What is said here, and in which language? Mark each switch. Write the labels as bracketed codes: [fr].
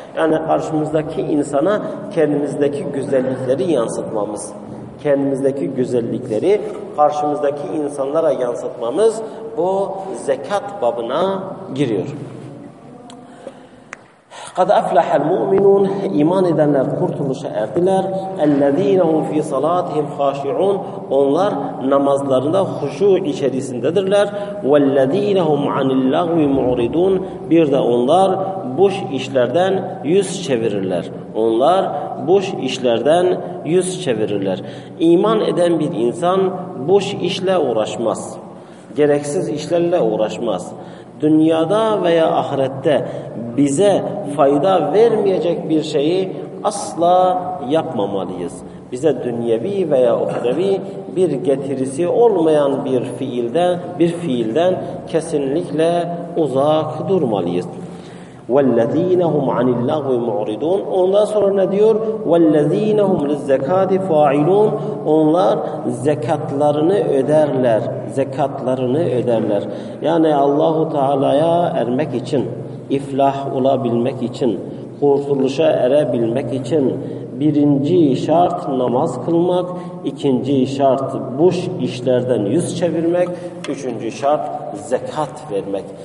[tr] Yani karşımızdaki insana kendimizdeki güzellikleri yansıtmamız, kendimizdeki güzellikleri karşımızdaki insanlara yansıtmamız, bu zekat babına giriyor. [ar] قَدْ اَفْلَحَ الْمُؤْمِنُونَ, [tr] iman edenler kurtuluşa erdiler. [ar] اَلَّذ۪ينَ هُمْ ف۪ي صَلَاتِهِمْ خَاشِعُونَ, [tr] onlar namazlarında huşu içerisindedirler. [ar] وَالَّذ۪ينَ هُمْ عَنِ اللَّغْوِ مُعْرِدُونَ, [tr] bir de onlar boş işlerden yüz çevirirler. Onlar boş işlerden yüz çevirirler. İman eden bir insan boş işle uğraşmaz, gereksiz işlerle uğraşmaz. Dünyada veya ahirette bize fayda vermeyecek bir şeyi asla yapmamalıyız. Bize dünyevi veya uhrevi bir getirisi olmayan bir fiilden kesinlikle uzak durmalıyız. [ar] وَالَّذ۪ينَ هُمْ عَنِ اللَّغْوِ مُعْرِدُونَ, [tr] ondan sonra ne diyor? [ar] وَالَّذ۪ينَ هُمْ لِلزَّكَاتِ فَاِلُونَ, [tr] onlar zekatlarını öderler. Zekatlarını öderler. Yani Allah-u Teala'ya ermek için, iflah olabilmek için, kurtuluşa erebilmek için birinci şart namaz kılmak, ikinci şart boş işlerden yüz çevirmek, üçüncü şart zekat vermek.